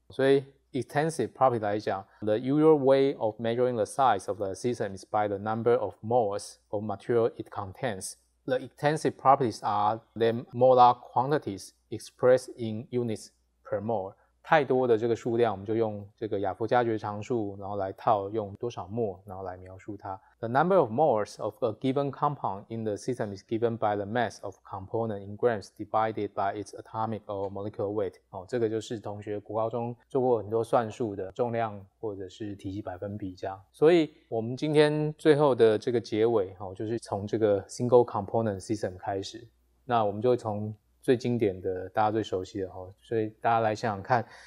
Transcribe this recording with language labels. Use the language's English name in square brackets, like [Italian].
[Chinese] 所以 [English] extensive property [Chinese] 来讲， [English] the usual way of measuring the size of the system is by the number of moles of material it contains. The extensive properties are the molar quantities expressed in units per mole. [Chinese] 太多的这个数量我们就用这个亚伯加爵常数然后来套用多少摩然后来描述它。 [English] The number of moles of a given compound in the system is given by the mass of component in grams divided by its atomic or molecular weight. [Chinese] 这个就是同学国高中做过很多算术的重量或者是体积百分比这样。所以我们今天最后的这个结尾，就是从这个 single component system 开始，那我们就从最经典的大家最熟悉的，所以大家来想想看